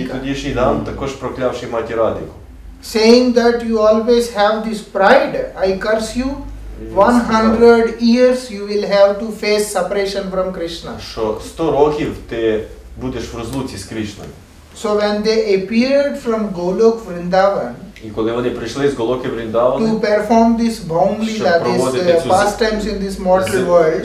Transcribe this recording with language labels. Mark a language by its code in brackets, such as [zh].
[uk] І тоді Шрідам також прокляв Шрімати Радіку. [en] Saying that you always have this pride, I curse you. 100 years you will have to face separation from Krishna. [uk] Що 100 років ти будеш в розлуці з Кришною. [en] So when they appeared from Golok Vrindavan. [uk] І коли вони прийшли з Голоки Вріндавана. [en] To perform this Bhom Lila, this pastimes in this mortal world.